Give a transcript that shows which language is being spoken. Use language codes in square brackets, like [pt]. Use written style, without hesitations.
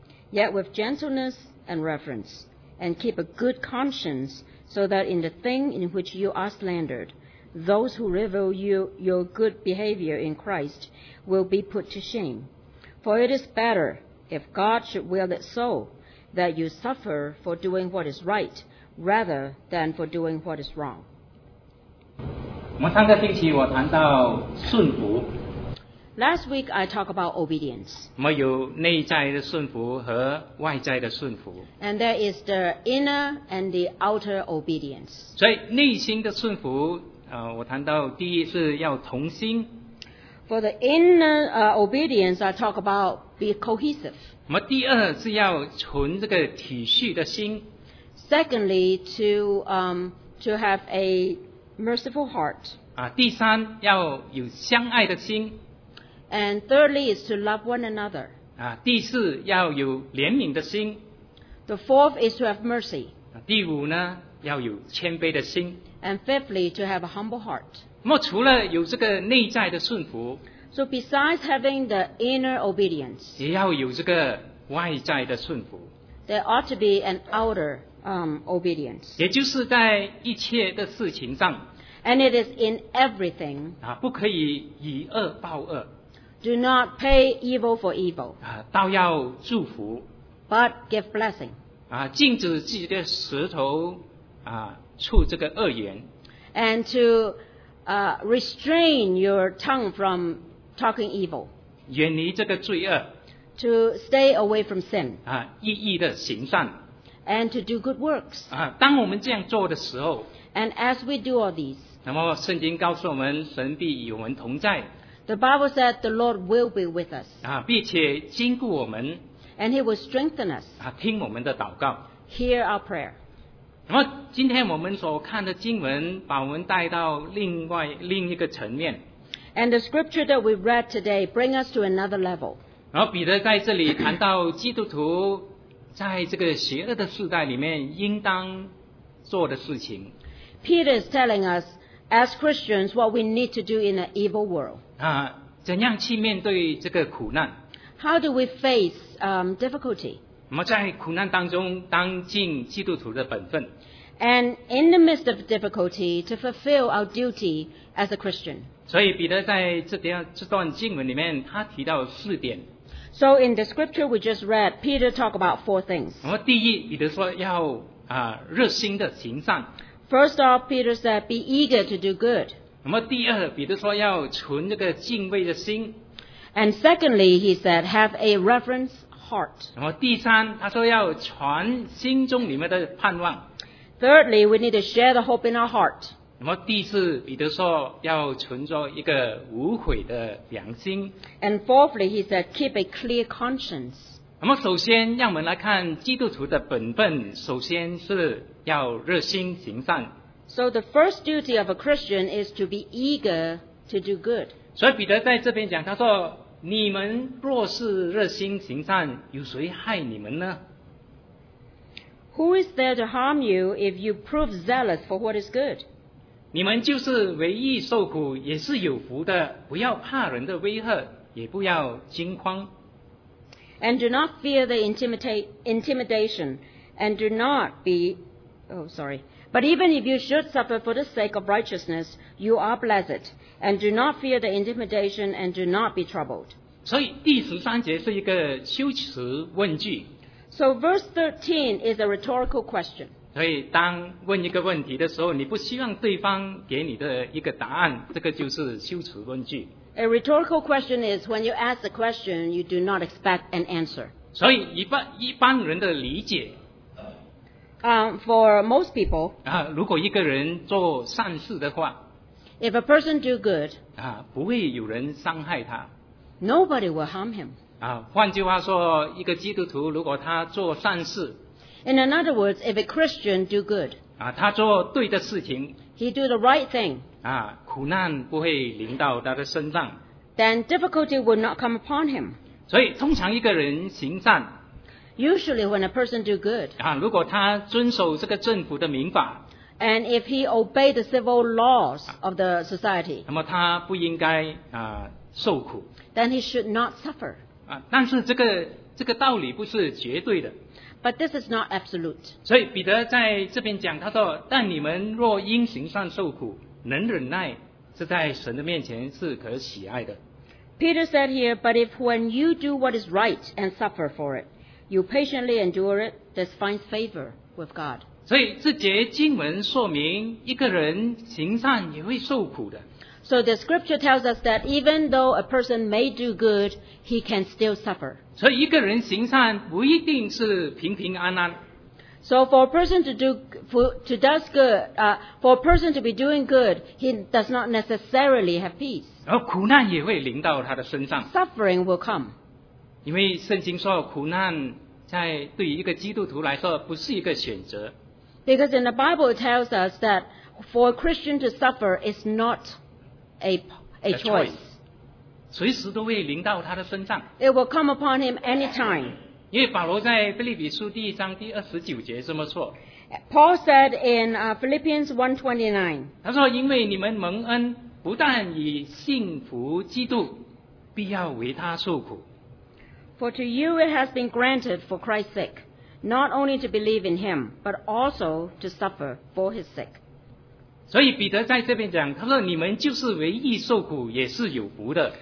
[en] Yet with gentleness and reverence, and keep a good conscience, so that in the thing in which you are slandered, those who revile you, your good behavior in Christ will be put to shame. For it is better, if God should will it so, that you suffer for doing what is right, rather than for doing what is wrong. [zh] 我上个星期我谈到顺服。 [en] Last week, I talked about obedience. [zh] 有内在的顺服和外在的顺服。 [en] And there is the inner and the outer obedience. [zh] 所以内心的顺服，我谈到第一是要同心。 [en] For the inner obedience, I talk about be cohesive. [zh] 第二是要存这个体恤的心。 [en] Secondly, to have a merciful heart. [zh] 第三要有相爱的心。 [en] And thirdly is to love one another. [zh] 第四要有怜悯的心。 [en] The fourth is to have mercy. [zh] 第五呢要有谦卑的心。 [en] And fifthly to have a humble heart. [zh] 除了有这个内在的顺服。 [en] So besides having the inner obedience. [zh] 也要有这个外在的顺服。 [en] There ought to be an outer obedience. [zh] 也就是在一切的事情上。 [en] And it is in everything. [zh] 不可以以恶报恶。 [en] Do not pay evil for evil. [zh] 倒要祝福。 [en] But give blessing. [zh] 禁止自己的舌头出这个恶言。 [en] And to restrain your tongue from talking evil. [zh] 远离这个罪恶。 [en] To stay away from sin. [zh] 意义的行善。 [en] And to do good works. [zh] 当我们这样做的时候。 [en] And as we do all these. [zh] 那么圣经告诉我们，神必与我们同在。 [en] The Bible said the Lord will be with us. [zh] 并且坚固我们。 [en] And He will strengthen us. [zh] 听我们的祷告。 [en] Hear our prayer. [zh] 那么今天我们所看的经文把我们带到另一个层面。 [en] And the scripture that we read today bring us to another level. [zh] 然后彼得在这里谈到基督徒在这个邪恶的时代里面应当做的事情。 [en] Peter is telling us as Christians what we need to do in an evil world. [zh] 怎样去面对这个苦难 [en] ？How do we face difficulty？ [zh] 我们在苦难当中当尽基督徒的本分。 [en] And in the midst of difficulty, to fulfill our duty as a Christian。 [zh] 所以彼得在这段经文里面，他提到四点。 [en] So in the scripture we just read, Peter talked about four things。 [zh] 那么第一，彼得说要热心的行善。 [en] First off, Peter said, be eager to do good。 [zh] 那么第二，彼得说要存这个敬畏的心。 [en] And secondly, he said, have a reverence heart. [zh] 然后第三，他说要传心中里面的盼望。 [en] Thirdly, we need to share the hope in our heart. [zh] 然后第四，彼得说要存着一个无悔的良心。 [en] And fourthly, he said, keep a clear conscience. [zh] 那么首先，让我们来看基督徒的本分，首先是要热心行善。 [en] So the first duty of a Christian is to be eager to do good. [zh] 所以彼得在这边讲，他说。你们若是热心行善，有谁害你们呢？ [en] Who is there to harm you if you prove zealous for what is good? [zh] 你们就是为义受苦，也是有福的，不要怕人的威吓，也不要惊慌。 [en] And do not fear the intimidation, and do not be, But even if you should suffer for the sake of righteousness, you are blessed. And do not fear the intimidation, and do not be troubled. [zh] 所以第十三节是一个修辞问句。 [en] So verse 13 is a rhetorical question. [zh] 所以当问一个问题的时候，你不希望对方给你的一个答案，这个就是修辞问句。 [en] A rhetorical question is when you ask a question, you do not expect an answer. [zh] 所以一般人的理解。 [en] For most people, [zh] 如果一个人做善事的话， [en] if a person do good, [zh] 不会有人伤害他， [en] nobody will harm him. [zh] 换句话说，一个基督徒如果他做善事， [en] in other words, if a Christian do good, [zh] 他做对的事情， [en] he do the right thing, [zh] 苦难不会临到他的身上， [en] then difficulty will not come upon him. [zh] 所以通常一个人行善， [en] Usually when a person do good, [zh] 如果他遵守这个政府的民法， [en] and if he obey the civil laws of the society, [zh] 那么他不应该受苦， [en] then he should not suffer. [zh] 但是这个道理不是绝对的， [en] but this is not absolute. [zh] 所以彼得在这边讲，他说，但你们若因行善受苦，能忍耐，这在神的面前是可喜爱的。 [en] Peter said here, but if when you do what is right and suffer for it,You patiently endure it, this finds favor with God. [zh] 所以这节经文说明一个人行善也会受苦的。 [en] So the scripture tells us that even though a person may do good, he can still suffer. [zh] 所以一个人行善不一定是平平安安。 [en] So for a person to be doing good, he does not necessarily have peace. [zh] 然后苦难也会临到他的身上。 [en] Suffering will come. [zh] 因为圣经说苦难在对于一个基督徒来说不是一个选择。 [en] Because in the Bible it tells us that for a Christian to suffer is not a choice. [zh] 随时都会临到他的身上。 [en] It will come upon him anytime. [zh] 因为保罗在腓立比书第一章第29节这么说。 [en] Paul said in Philippians 1:29. [zh] 他说因为你们蒙恩不但以信服基督必要为他受苦。 [en] For to you it has been granted for Christ's sake, not only to believe in him, but also to suffer for his sake. [zh] 所以彼得在这边讲，他说你们就是为义受苦，也是有福的。